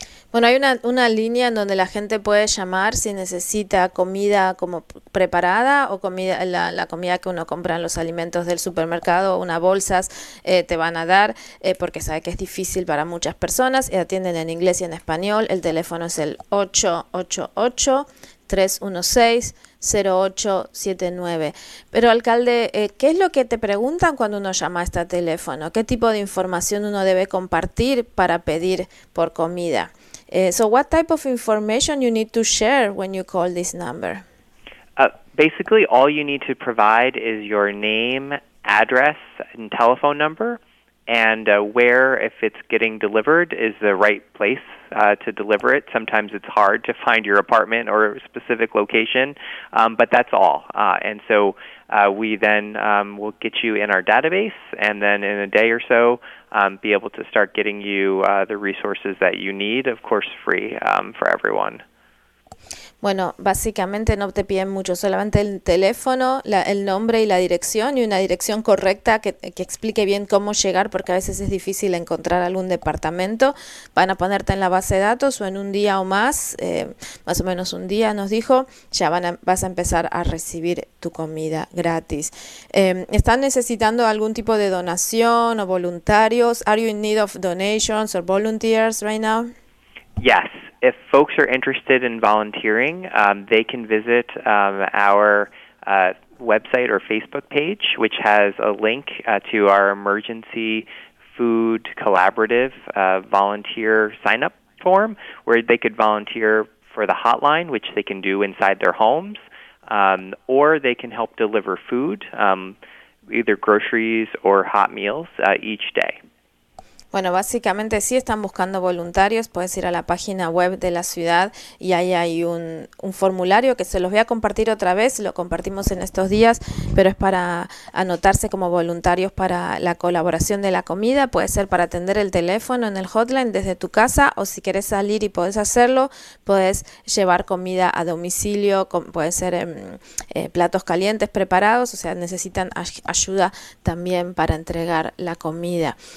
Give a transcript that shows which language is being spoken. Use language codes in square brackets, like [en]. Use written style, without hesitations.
[es] Bueno, hay una línea en donde la gente puede llamar si necesita comida como preparada o comida la comida que uno compra en los alimentos del supermercado, unas bolsas te van a dar porque sabe que es difícil para muchas personas y atienden en inglés y en español. El teléfono es el 888-316-0879. Pero, alcalde, ¿qué es lo que te preguntan cuando uno llama a este teléfono? ¿Qué tipo de información uno debe compartir para pedir por comida? [en] So what type of information you need to share when you call this number? Basically, all you need to provide is your name, address, and telephone number, and where, if it's getting delivered, is the right place to deliver it. Sometimes it's hard to find your apartment or a specific location, but that's all. And so we then will get you in our database, and then in a day or so, be able to start getting you the resources that you need, of course, free for everyone. [es] Bueno, básicamente no te piden mucho, solamente el teléfono, el nombre y la dirección, y una dirección correcta que explique bien cómo llegar, porque a veces es difícil encontrar algún departamento. Van a ponerte en la base de datos o en un día o más, más o menos un día nos dijo, ya vas a empezar a recibir tu comida gratis. ¿Están necesitando algún tipo de donación o voluntarios? [en] Are you in need of donations or volunteers right now? Yes. If folks are interested in volunteering, they can visit our website or Facebook page, which has a link to our Emergency Food Collaborative volunteer sign-up form, where they could volunteer for the hotline, which they can do inside their homes, or they can help deliver food, either groceries or hot meals, each day. [es] Bueno, básicamente sí están buscando voluntarios. Puedes ir a la página web de la ciudad y ahí hay un formulario que se los voy a compartir otra vez. Lo compartimos en estos días, pero es para anotarse como voluntarios para la colaboración de la comida. Puede ser para atender el teléfono en el hotline desde tu casa o si quieres salir y puedes hacerlo, puedes llevar comida a domicilio, puede ser platos calientes preparados. O sea, necesitan ayuda también para entregar la comida.